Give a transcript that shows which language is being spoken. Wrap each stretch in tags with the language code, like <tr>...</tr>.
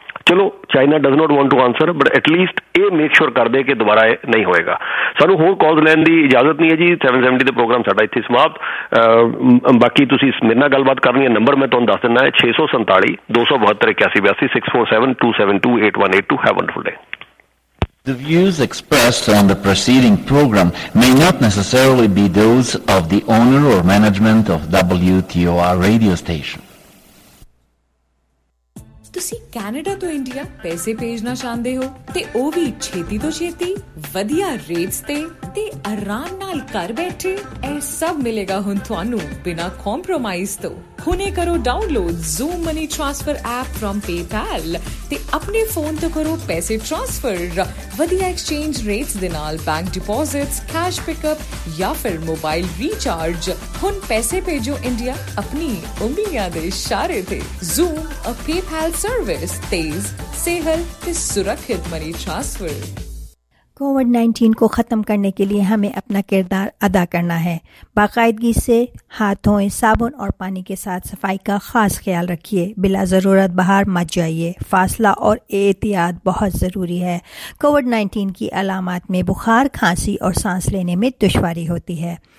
<pa>ਚਲੋ</pa> <en>China does not want to answer, but at least</en> <pa>ਇਹ make sure ਕਰਦੇ ਕਿ ਦੁਬਾਰਾ ਨਹੀਂ ਹੋਏਗਾ। ਸਾਨੂੰ ਹੋਰ ਕਾਲ ਲੈਣ ਦੀ ਇਜਾਜ਼ਤ ਨਹੀਂ ਹੈ ਜੀ, 770 ਦੇ ਪ੍ਰੋਗਰਾਮ ਸਾਡਾ ਇੱਥੇ ਸਮਾਪਤ। ਬਾਕੀ ਤੁਸੀਂ ਮੇਰੇ ਨਾਲ ਗੱਲਬਾਤ ਕਰਨੀ ਹੈ, ਨੰਬਰ ਮੈਂ ਤੁਹਾਨੂੰ ਦੱਸ ਦਿੰਦਾ ਹੈ 647-271-8182, 647-272-8182,</pa> <en>Have wonderful day. The views expressed on the preceding program may not necessarily be those of the owner or management of WTOR radio station.</en> <pa>ਤੁਸੀਂ ਕੈਨੇਡਾ ਤੋਂ ਇੰਡੀਆ ਪੈਸੇ ਭੇਜਣਾ ਚਾਹੁੰਦੇ ਹੋ, ਤੇ ਉਹ ਵੀ ਛੇਤੀ ਤੋਂ ਛੇਤੀ ਵਧੀਆ ਰੇਟਸ ਤੇ ਆਰਾਮ ਨਾਲ ਘਰ ਬੈਠੇ? ਇਹ ਸਭ ਮਿਲੇਗਾ ਹੁਣ ਤੁਹਾਨੂੰ ਬਿਨਾ ਕੰਪਰੋਮਾਈਜ਼ ਤੋਂ। ਹੁਣੇ ਕਰੋ download zoom money transfer app from PayPal, ਤੇ ਆਪਣੇ ਫੋਨ ਤੋਂ ਕਰੋ ਪੈਸੇ ਟ੍ਰਾਂਸਫਰ ਵਧੀਆ ਐਕਸਚੇਂਜ ਰੇਟਸ ਦੇ ਨਾਲ, ਬੈਂਕ ਡਿਪੋਜ਼ਿਟਸ, ਕੈਸ਼ ਪਿਕਅਪ ਜਾਂ ਫਿਰ ਮੋਬਾਈਲ ਰੀਚਾਰਜ। ਹੁਣ ਪੈਸੇ ਭੇਜੋ ਇੰਡੀਆ ਆਪਣੀ ਉਂਗਲੀਆਂ ਦੇ ਇਸ਼ਾਰੇ ਤੇ। ਜ਼ੂਮ ਅ ਪੇਪਾਲ ਸਰਵਿਸ, ਤੇਜ਼, ਸਿਹਲ ਤੇ ਸੁਰੱਖਿਅਤ ਮਨੀ ਟ੍ਰਾਂਸਫਰ।</pa> <ur>کووڈ 19 کو ختم کرنے کے لیے ہمیں اپنا کردار ادا کرنا ہے. باقاعدگی سے ہاتھ دھوئیں, صابن اور پانی کے ساتھ صفائی کا خاص خیال رکھیے. بلا ضرورت باہر مت جائیے. فاصلہ اور احتیاط بہت ضروری ہے. کووڈ 19 کی علامات میں بخار, کھانسی اور سانس لینے میں دشواری ہوتی ہے.</ur>